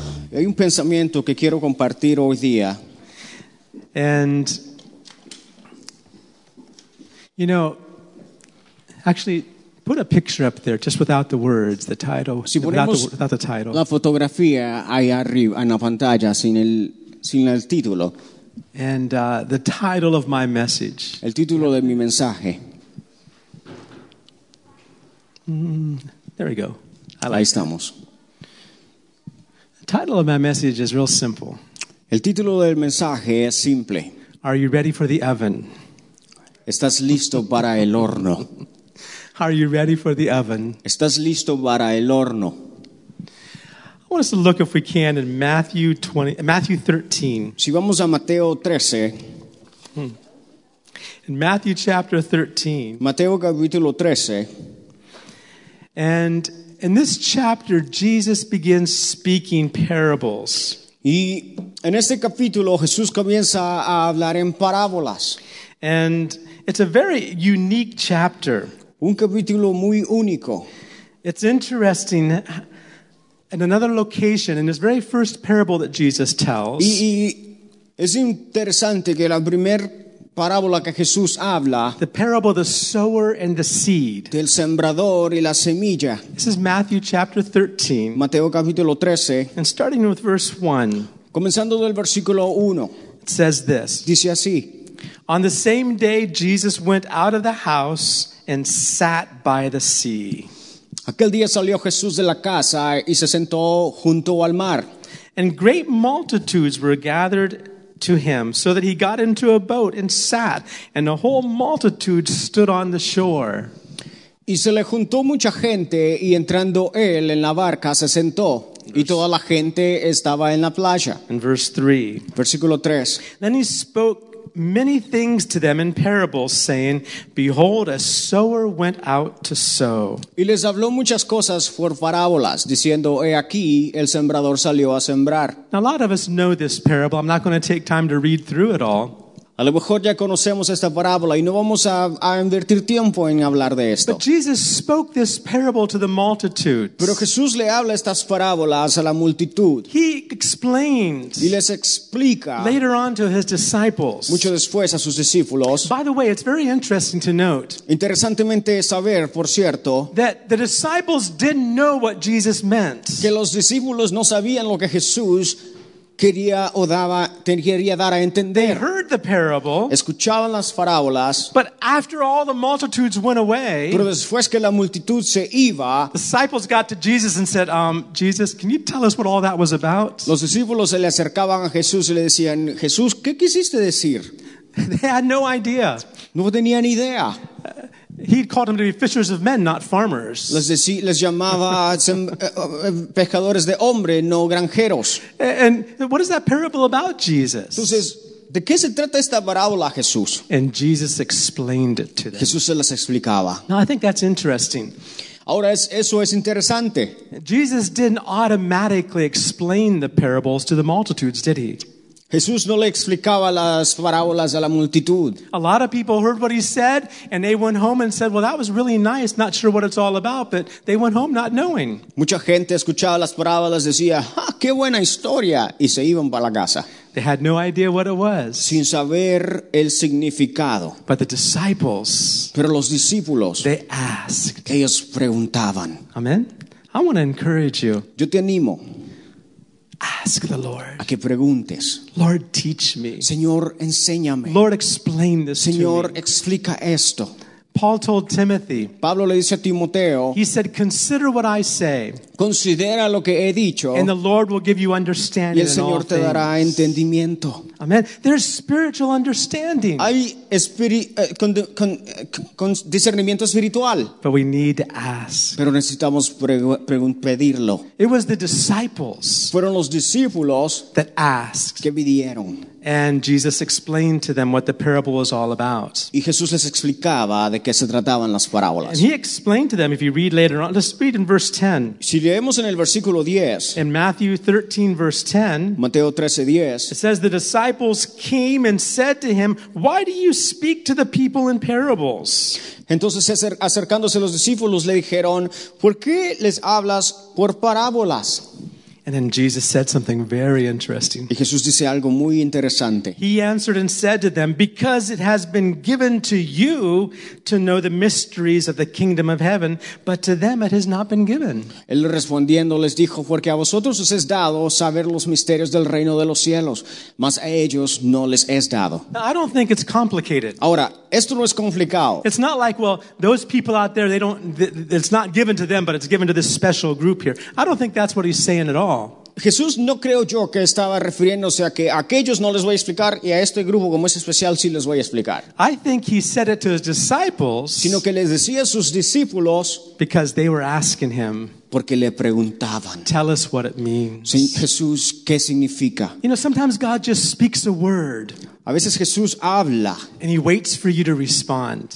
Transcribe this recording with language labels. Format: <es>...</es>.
<es>Hay un pensamiento que quiero compartir hoy día.</es> <en>And you know, actually put a picture up there, just without the words, the title.</en> <es>Si ponemos</es> <en>without the title.</en> <es>La fotografía ahí arriba en la pantalla sin el título.</es> <en>And the title of my message.</en> <es>El título de mi mensaje.</es> <en>There we go. I like</en> <es>ahí estamos.</es> <en>The title of my message is real simple.</en> <es>El título del mensaje es simple.</es> <en>Are you ready for the oven?</en> <es>¿Estás listo para el horno?</es> <en>Are you ready for the oven?</en> <es>¿Estás listo para el horno?</es> <en>I want us to look, if we can, in Matthew 13.</en> <es>Si vamos a Mateo 13.</es> <en>In Matthew chapter 13.</en> <es>Mateo capítulo 13.</es> <en>And in this chapter, Jesus begins speaking parables.</en> <es>Y en este capítulo, Jesús comienza a hablar en parábolas.</es> <en>And it's a very unique chapter.</en> <es>Un capítulo muy único.</es> <en>It's interesting. In another location, in his very first parable that Jesus tells.</en> <es>Y es interesante que la primer parábola que Jesús habla.</es> <en>The parable of the sower and the seed.</en> <es>Del sembrador y la semilla.</es> <en>This is Matthew chapter 13.</en> <es>Mateo capítulo 13.</es> <en>And starting with verse 1.</en> <es>Comenzando del versículo 1.</es> <en>It says this.</en> <es>Dice así.</es> <en>On the same day, Jesus went out of the house and sat by the sea.</en> <es>Aquel día salió Jesús de la casa y se sentó junto al mar.</es> <en>And great multitudes were gathered to him, so that he got into a boat and sat, and the whole multitude stood on the shore.</en> <es>Y se le juntó mucha gente, y entrando él en la barca se sentó. Y toda la gente estaba en la playa.</es> <en>In verse 3.</en> <es>Versículo 3.</es> <en>Then he spoke many things to them in parables, saying, "Behold, a sower went out to sow."</en> <es>Y les habló muchas cosas por parábolas, diciendo, "He aquí, el sembrador salió a sembrar."</es> <en>Now, a lot of us know this parable. I'm not going to take time to read through it all.</en> <es>A lo mejor ya conocemos esta parábola y no vamos a invertir tiempo en hablar de esto.</es> <en>But Jesus spoke this parable to the multitudes.</en> <es>Pero Jesús le habla estas parábolas a la multitud.</es> <en>He explains.</en> <es>Y les explica.</es> <en>Later on to his disciples.</en> <es>Mucho después a sus discípulos.</es> <en>By the way, it's very interesting to note.</en> <es>Interesantemente saber, por cierto,</es> <en>that the disciples didn't know what Jesus meant.</en> <es>Que los discípulos no sabían lo que Jesús quería o daba, quería dar a entender.</es> <en>They heard the parable.</en> <es>Escuchaban las parábolas.</es> <en>But after all the multitudes went away,</en> <es>pero después que la multitud se iba,</es> <en>the disciples got to Jesus and said, Jesus, can you tell us what all that was about?</en> <es>Los discípulos se le acercaban a Jesús y le decían, Jesús, ¿qué quisiste decir?</es> <en>They had no idea.</en> <es>No tenían idea.</es> <en>He called them to be fishers of men, not farmers.</en> <es>Les llamaba pescadores de hombre, no granjeros.</es> <en>And what is that parable about, Jesus?</en> <es>Entonces, ¿De qué se trata esta parábola, Jesús?</es> <en>And Jesus explained it to them.</en> <es>Jesús se las explicaba.</es> <en>Now, I think that's interesting.</en> <es>Ahora eso es interesante.</es> <en>Jesus didn't automatically explain the parables to the multitudes, did he?</en> <es>Jesús no le explicaba las parábolas a la multitud.</es> <en>A lot of people heard what he said and they went home and said, "Well, that was really nice. Not sure what it's all about," but they went home not knowing.</en> <es>Mucha gente escuchaba las parábolas, decía, "Ah, qué buena historia," y se iban para la casa.</es> <en>They had no idea what it was.</en> <es>Sin saber el significado.</es> <en>But the disciples.</en> <es>Pero los discípulos.</es> <en>They asked.</en> <es>Ellos preguntaban.</es> <en>Amen. I want to encourage you.</en> <es>Yo te animo.</es> <en>Ask the Lord.</en> <es>A que preguntes.</es> <en>Lord, teach me.</en> <es>Señor, enséñame.</es> <en>Lord, explain this</en> <es>Señor,</es> <en>to me.</en> <es>Explica esto.</es> <en>Paul told Timothy.</en> <es>Pablo le dice a Timoteo.</es> <en>He said, "Consider what I say."</en> <es>Considera lo que he dicho.</es> <en>And the Lord will give you understanding.</en> <es>Y el Señor</es> <en>in all</en> <es>te dará</es> <en>things.</en> <es>Entendimiento.</es> <en>Amen. There's spiritual understanding.</en> <es>Hay discernimiento espiritual.</es> <en>But we need to ask.</en> <es>Pero necesitamos pedirlo.</es> <en>It was the disciples.</en> <es>Fueron los discípulos</es> <en>that asked.</en> <es>Que pidieron.</es> <en>And Jesus explained to them what the parable was all about.</en> <es>Y Jesús les explicaba de qué se trataban las parábolas.</es> <en>And he explained to them, if you read later on, let's read in verse 10.</en> <es>Si leemos en el versículo 10.</es> <en>In Matthew 13, verse 10.</en> <es>Mateo 13, 10.</es> <en>It says, "The disciples came and said to him, 'Why do you speak to the people in parables?'"</en> <es>Entonces, acercándose los discípulos, le dijeron, "¿Por qué les hablas por parábolas?"</es> <en>And then Jesus said something very interesting.</en> <es>Y Jesús dice algo muy interesante.</es> <en>He answered and said to them, "Because it has been given to you to know the mysteries of the kingdom of heaven, but to them it has not been given."</en> <es>Él respondiendo les dijo, "Porque a vosotros os es dado saber los misterios del reino de los cielos, mas a ellos no les es dado."</es> <en>Now, I don't think it's complicated.</en> <es>Ahora, esto no es complicado.</es> <en>It's not like, well, those people out there, they don't, it's not given to them, but it's given to this special group here. I don't think that's what he's saying at all.</en> <es>Jesús no creo yo que estaba refiriéndose a que a aquellos no les voy a explicar y a este grupo como es especial sí les voy a explicar.</es> <en>I think he said it to his disciples,</en> <es>sino que les decía a sus discípulos,</es> <en>because they were asking him,</en> <es>porque le preguntaban,</es> <en>"Tell us what it means."</en> <es>Jesús, ¿qué significa?</es> <en>You know, sometimes God just speaks a word.</en> <es>A veces Jesús habla,</es> <en>and he waits for you to respond.</en>